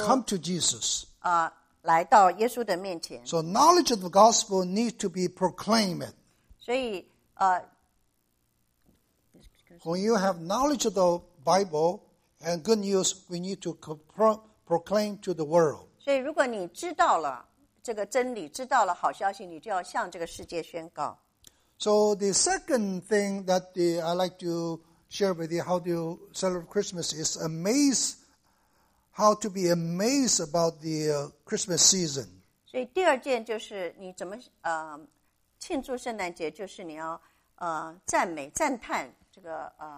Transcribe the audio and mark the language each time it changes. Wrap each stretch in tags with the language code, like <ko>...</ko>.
<en>come to Jesus.</en> <zh>来到耶稣的面前。</zh> <en>So knowledge of the gospel needs to be proclaimed.</en> <zh>所以</zh> <en>when you have knowledge of the Bible and good news, we need to proclaim to the world.</en> <zh>所以如果你知道了这个真理，知道了好消息，你就要向这个世界宣告。</zh> <en>So the second thing that I'd like to share with you how to celebrate Christmas is amaze, how to be amazed about the Christmas season.</en> <zh>所以第二件就是你怎么庆祝圣诞节，就是你要赞美赞叹这个</zh>